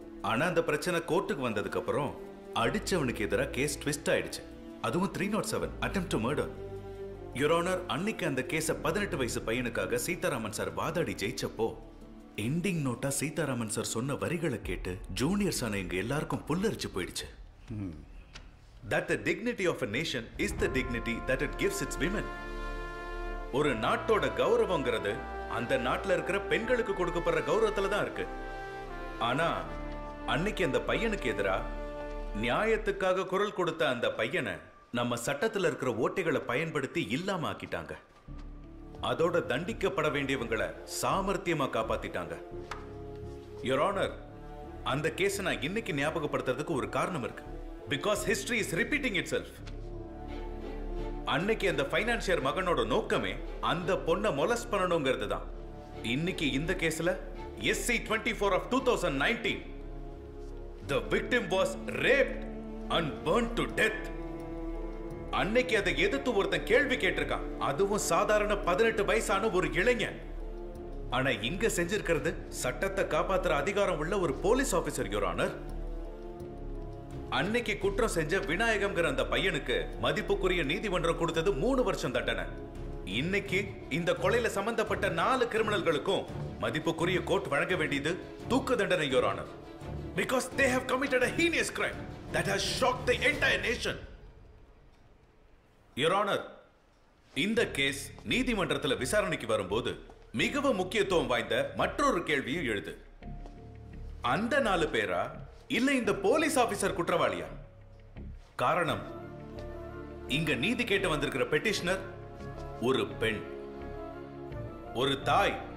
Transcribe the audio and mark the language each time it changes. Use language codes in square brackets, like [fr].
[ta] ஆனால் அந்த பிரச்சனை கோர்ட்டுக்கு வந்ததுக்கு அப்புறம் அடித்தவனுக்கு எதிராக கேஸ் ட்விஸ்ட் ஆயிடுச்சு. அதுவும் 307 attempt to murder. Your honour, அன்னைக்கு அந்த கேஸ 18 வயசு பையனுக்காக சீதாராமன் சார் வாதாடி ஜெயிச்சப்போ எண்டிங் நோட்டா சீதாராமன் சார் சொன்ன வரிகளை கேட்டு ஜூனியர் சானை எங்க எல்லாருக்கும் புல்லரிச்சு போயிடுச்சு. [en] That the dignity of a nation is the dignity that it gives its women. [ta] ஒரு நாட்டோட கௌரவங்கிறது அந்த நாட்டில் இருக்கிற பெண்களுக்கு கொடுக்கப்படுற கௌரவத்துல தான் இருக்கு. ஆனா அன்னைக்கு அந்த பையனுக்கு எதிராக நியாயத்துக்காக குரல் கொடுத்த அந்த பையனை நம்ம சட்டத்தில் இருக்கிற ஓட்டைகளை பயன்படுத்தி இல்லாம ஆக்கிட்டாங்க. அதோட தண்டிக்கப்பட வேண்டியவங்களை சாமர்த்தியமா காப்பாத்திட்டாங்க. யுவர் ஆனர், அந்த கேஸை நான் இன்னைக்கு ஞாபகப்படுத்துறதுக்கு ஒரு காரணம் இருக்கு. [en] Because history is repeating itself. [ta] அன்னைக்கு அந்த ஃபைனான்சியர் மகனோட நோக்கமே அந்த பொண்ணை மொலஸ் பண்ணணுங்கிறது தான். இன்னைக்கு இந்த கேஸ்ல [en] SC 24 of 2019 the victim was raped and burned to death. [ta] அன்னைக்கு அதை எதிர்த்து ஒருத்தன் கேள்வி கேட்டிருக்கான், அதுவும் சாதாரண 18 வயசான ஒரு இளைஞன். ஆனா இங்க செஞ்சிருக்கிறது சட்டத்தை காப்பாத்துற அதிகாரம் உள்ள ஒரு போலீஸ் ஆபீசர். யுவர் ஆனர், அன்னைக்கு குற்றம் செஞ்ச விநாயகம்ங்கிற அந்த பையனுக்கு மதிப்புக்குரிய நீதிமன்றம் கொடுத்தது 3 வருஷம் தண்டனை. இன்னைக்கு இந்த கொலையில சம்பந்தப்பட்ட 4 கிரிமினல்களுக்கும் மதிப்புக்குரிய கோர்ட் வழங்க வேண்டியது தூக்கு தண்டனை. Your honour, [en] because they have committed a heinous crime that has shocked the entire nation. [ta] Your honour, இந்த கேஸ் நீதிமன்றத்தில் விசாரணைக்கு வரும்போது மிகவும் முக்கியத்துவம் வாய்ந்த மற்றொரு கேள்வியும் எழுது. அந்த 4 பேரா இல்ல இந்த போலீஸ் ஆபீசர் குற்றவாளியா? காரணம், இங்க நீதி கேட்டு வந்திருக்கிற பெட்டிஷனர் ஒரு பெண், ஒரு தாய்.